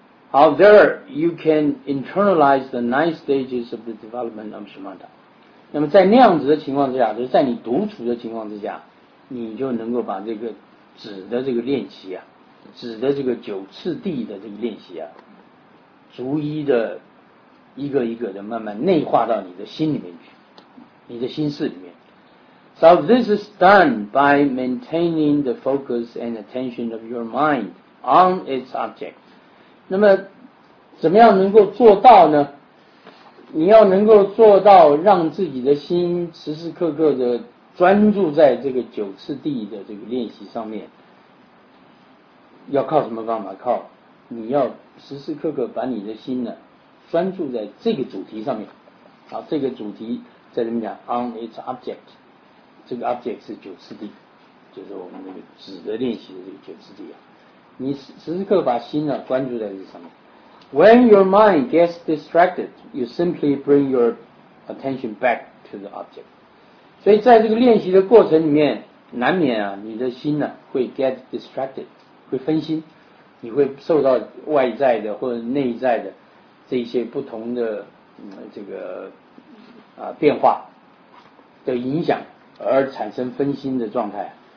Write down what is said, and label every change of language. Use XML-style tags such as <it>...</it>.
<en>How there you can internalize the nine stages of the development of Samatha.</en> <zh>那么在那样子的情况之下，就是在你独处的情况之下，你就能够把这个止的这个练习啊，止的这个九次第的这个练习啊，逐一的一个一个的慢慢内化到你的心里面去，你的心事里面。</zh> <en>So this is done by maintaining the focus and attention of your mind on its object.</en> <zh>那么怎么样能够做到呢？你要能够做到让自己的心时时刻刻的专注在这个九次第的这个练习上面，要靠什么方法？靠你要时时刻刻把你的心呢专注在这个主题上面。好，这个主题在里面讲</zh> <en>on its object，</en> <zh>这个 object 是九次第，就是我们那个指的练习的这个九次第啊，你时时刻把心呢关注在这上面。</zh> <en>When your mind gets distracted, you simply bring your attention back to the object.</en> <zh>所以在这个练习的过程里面，难免啊，你的心呢会</zh> <en>get distracted，</en> <zh>会分心，你会受到外在的或者内在的这些不同的、这个变化的影响而产生分心的状态。</zh>